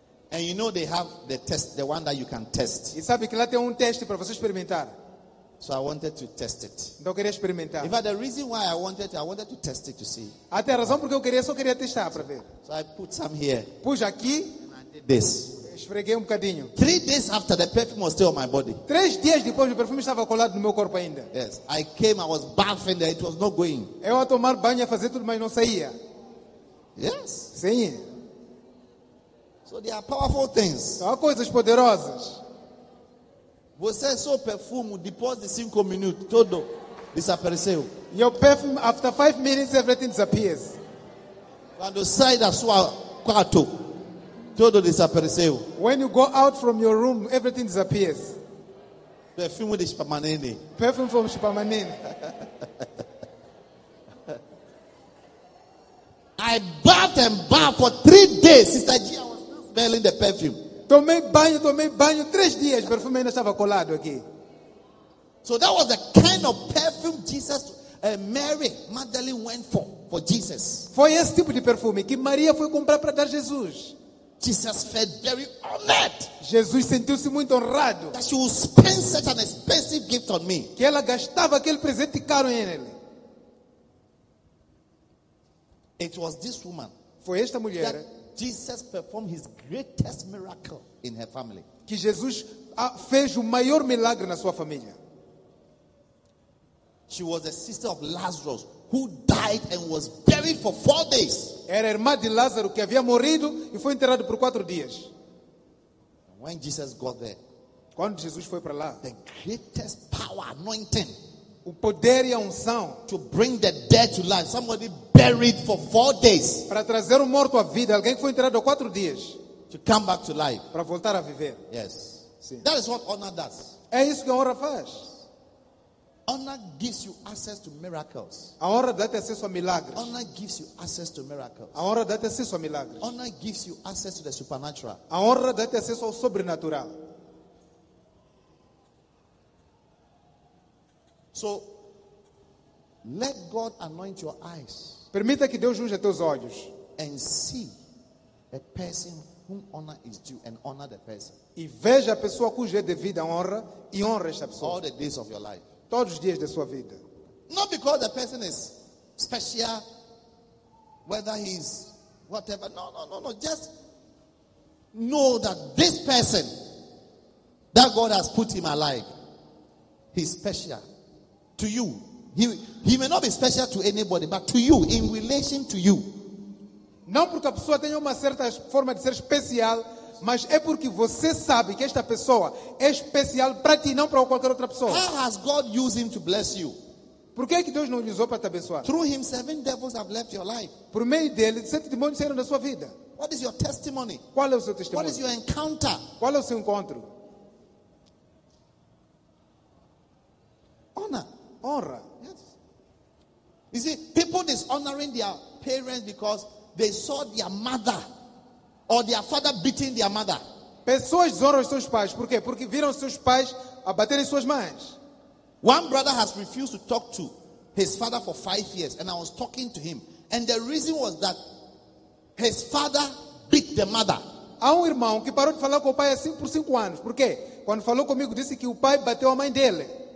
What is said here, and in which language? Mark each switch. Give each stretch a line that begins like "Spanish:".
English: And you know they have the test, the one that you can test.
Portuguese: E sabe que lá tem teste para você experimentar.
English: So I wanted to test it.
Portuguese: Então eu queria experimentar.
English: In fact, the reason why I wanted to test it to see.
Portuguese: Até a razão porque eu só queria testar para ver.
English: So I put some here.
Portuguese: Pus aqui.
English: This.
Portuguese: Esfreguei bocadinho.
English: 3 days after the perfume was still on my body.
Portuguese: 3 dias depois o perfume estava colado no meu corpo ainda.
English: Yes, I came, I was bathing there, it was not going.
Portuguese: Eu ia tomar banho, fazer tudo, mas não saía.
English: Yes.
Portuguese: Sim.
English: So there are powerful things.
Portuguese: Há coisas poderosas. Você só perfume depois de 5 minutos, todo desapareceu.
English: Your perfume after 5 minutes, everything disappears.
Portuguese: Quando sai da sua quarto. Tudo desapareceu.
English: When you go out from your room, everything disappears.
Portuguese: Perfume de Chipamanini.
English: Perfume from Chipamanini. I bathed and bathed for 3 days. Sister G, I was not smelling the perfume.
Portuguese: Tomei banho 3 dias. Perfume ainda estava colado aqui.
English: So that was the kind of perfume Jesus and Mary Magdalene went for Jesus.
Portuguese: Foi esse tipo de perfume que Maria foi comprar para dar Jesus.
English: Jesus felt very honored.
Portuguese: Jesus sentiu-se muito honrado.
English: That she would spend such an expensive gift on me.
Portuguese: Que ela gastava aquele presente caro em ele.
English: It was this woman.
Portuguese: Foi esta mulher.
English: That Jesus performed his greatest miracle in her family.
Portuguese: Que Jesus fez o maior milagre na sua família.
English: She was a sister of Lazarus. Who died and was buried for 4 days.
Portuguese: Era irmã de Lázaro que havia morrido e foi enterrado por 4 dias.
English: When Jesus got there,
Portuguese: quando Jesus foi para lá,
English: the greatest power, anointing,
Portuguese: o poder e a unção,
English: to bring the dead to life, somebody buried for 4 days,
Portuguese: para trazer o morto à vida, alguém que foi enterrado há 4 dias,
English: to come back to life,
Portuguese: para voltar a viver.
English: Yes.
Portuguese: Sim.
English: That is what honor does.
Portuguese: É isso que a honra faz.
English: Honor gives you access to miracles.
Portuguese: A honra dá-te acesso a milagres.
English: Honor gives you access to miracles.
Portuguese: A honra dá-te acesso a milagres.
English: Honor gives you access to the supernatural.
Portuguese: A honra dá-te acesso ao sobrenatural.
English: So, let God anoint your eyes.
Portuguese: Permita que Deus unja teus olhos.
English: And see a person whom honor is due and honor the person.
Portuguese: E veja a pessoa cuja é devida honra e honra esta pessoa.
English: All the days of your life.
Portuguese: Todos os dias da sua vida.
English: Not because the person is special, whether he is whatever. No. Just know that this person that God has put in my life, he's special to you. He may not be special to anybody, but to you, in relation to you.
Portuguese: Não porque a pessoa tenha uma certa forma de ser especial, mas é porque você sabe que esta pessoa é especial para ti, não para qualquer outra pessoa.
English: How has God used him to bless you?
Portuguese: Por que é que Deus não usou para te abençoar?
English: Through him, 7 devils have left your life.
Portuguese: Por meio dele, 7 demônios saíram da sua vida.
English: What is your testimony?
Portuguese: Qual é o seu testemunho?
English: What is your encounter?
Portuguese: Qual é o seu encontro?
English: Honor.
Portuguese: Honra.
English: Yes. You see, people dishonoring their parents because they saw their mother. Or their father beating their mother.
Portuguese: Pessoas desonram seus pais. Por quê? Porque viram seus pais a baterem suas mães.
English: One brother has refused to talk to his father for 5 years. And I was talking to him. And the reason was that his father beat the mother.
Portuguese: Há irmão que parou de falar com o pai assim por 5 anos. Por quê? Quando falou comigo, disse que o pai bateu a mãe dele.